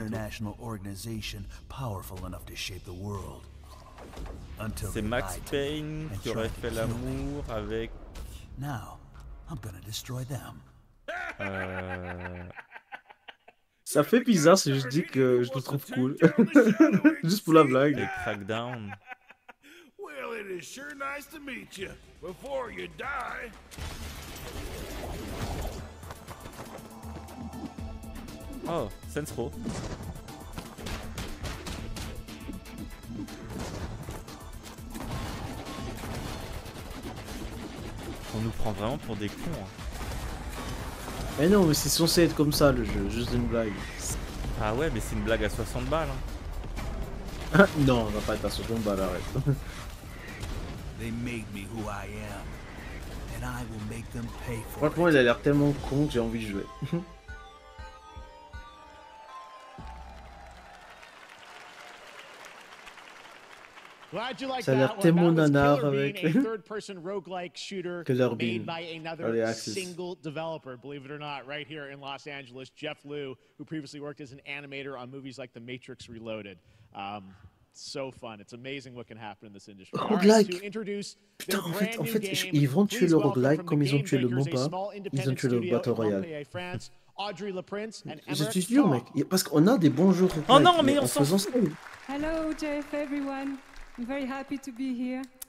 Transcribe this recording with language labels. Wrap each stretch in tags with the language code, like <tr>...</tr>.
<en>An international organization powerful enough to shape the world.</en> <fr>Until c'est Max Payne qui aurait fait l'amour avec.</fr> <en>Now, I'm gonna destroy them.</en> <fr>Ça fait bizarre si je dis que je le trouve cool. Juste pour la blague. Et Crackdown.</fr> <en>Well, it is sure nice to meet you. Before you die. Oh, Saints Row.</en> <fr>On nous prend vraiment pour des cons. Hein. Mais non, mais c'est censé être comme ça le jeu, juste une blague. Ah ouais, mais c'est une blague à 60 balles. Hein. Non, on va pas être à 60 balles, arrête.</fr> <en>They made me who I am, and I will make them pay for it.</en> <fr>Franchement, il a l'air tellement con que j'ai envie de jouer. Ça a l'air tellement nanar avec</fr> <en>roguelike shooter Killer Bean, made by another Early Access. Single developer, believe it or not, right here in Los Angeles, Jeff Liu, who previously worked as an animator on movies like The Matrix Reloaded. So fun. It's amazing what can happen in this industry. Roguelike.</en> <fr>Putain, en fait, ils vont tuer le roguelike comme ils ont tué le MOBA. Ils ont tué le Battle Royale. Audrey LaPrince and Emmerich. C'est sûr, mec. Parce qu'on a des bons jeux. Oh non, mais on s'en fout.</fr> <en>Hello, Jeff, everyone. I'm very happy to be here.</en>